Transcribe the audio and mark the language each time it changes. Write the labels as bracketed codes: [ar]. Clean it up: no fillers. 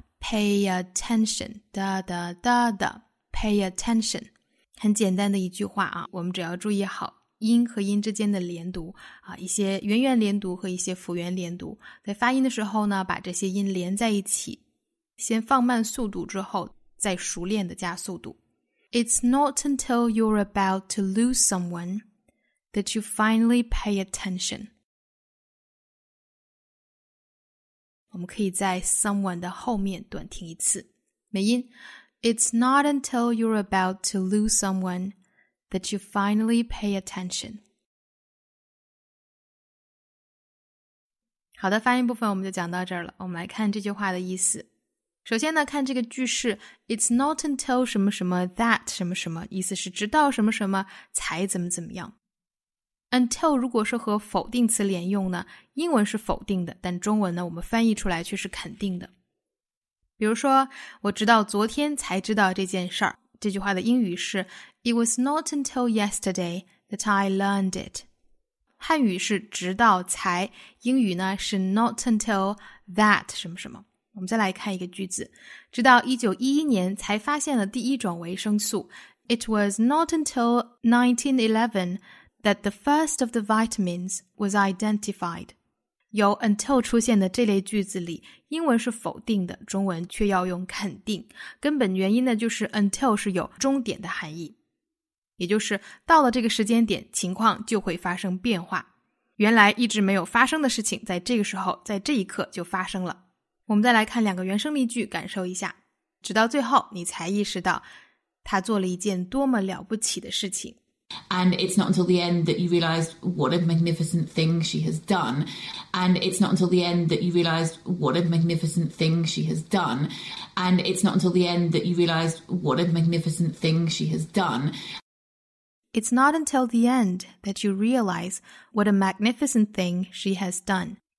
[en] Pay attention. Da, da, da, da. Pay attention. [zh] 很简单的一句话啊，我们只要注意好音和音之间的连读啊，一些圆圆连读和一些辅圆连读。在发音的时候呢，把这些音连在一起。先放慢速度之后再熟练的加速度。 [en] It's not until you're about to lose someone that you finally pay attention. [zh] 我们可以在 someone 的后面短听一次。美音。 [en] It's not until you're about to lose someone that you finally pay attention. [zh] 好的，发音部分我们就讲到这儿了。我们来看这句话的意思。首先呢，看这个句式 ，It's not until 什么什么 that 什么什么，意思是直到什么什么才怎么怎么样。 Until 如果是和否定词连用呢，英文是否定的，但中文呢，我们翻译出来却是肯定的。比如说，我直到昨天才知道这件事儿。这句话的英语是 [en] ，It was not until yesterday that I learned it。 [zh] 汉语是直到才，英语呢是 not until that 什么什么。我们再来看一个句子，直到1911年才发现了第一种维生素。 [en] It was not until 1911 that the first of the vitamins was identified. [zh] 有 until 出现的这类句子里，英文是否定的，中文却要用肯定。根本原因呢，就是 until 是有终点的含义，也就是到了这个时间点，情况就会发生变化。原来一直没有发生的事情，在这个时候，在这一刻就发生了。我们再来看两个原声例句，感受一下。直到最后，你才意识到他做了一件多么了不起的事情。 [en] And it's not until the end that you realize what a magnificent thing she has done. And it's not until the end that you realize what a magnificent thing she has done. And it's not until the end that you realize what a magnificent thing she has done. It's not until the end that you realize what a magnificent thing she has done.